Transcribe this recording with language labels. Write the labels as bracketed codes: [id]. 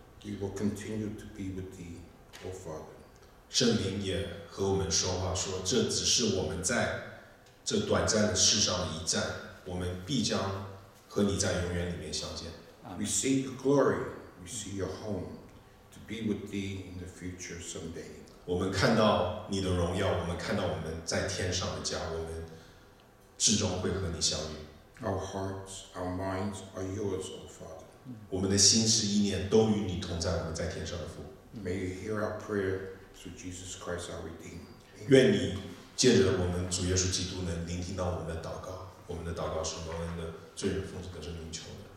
[en] We will continue to be with thee, O Father. [zh] 圣灵也和我们说话说，这只是我们在这短暂的世上的一站，我们必将和你在永远里面相见。 [en] We see your glory, we see your home, to be with thee in the future someday. [zh] 我们看到你的荣耀，我们看到我们在天上的家，我们至终会和你相遇。 [en] Our hearts, our minds are yours, O Father. [zh] 我们的心思意念都与你同在，我们在天上的父。 [en] May you hear our prayer through Jesus Christ our Redeemer. [zh] 愿你借着我们主耶稣基督能聆听到我们的祷告，我们的祷告是蒙恩的，罪人奉主的圣名求的。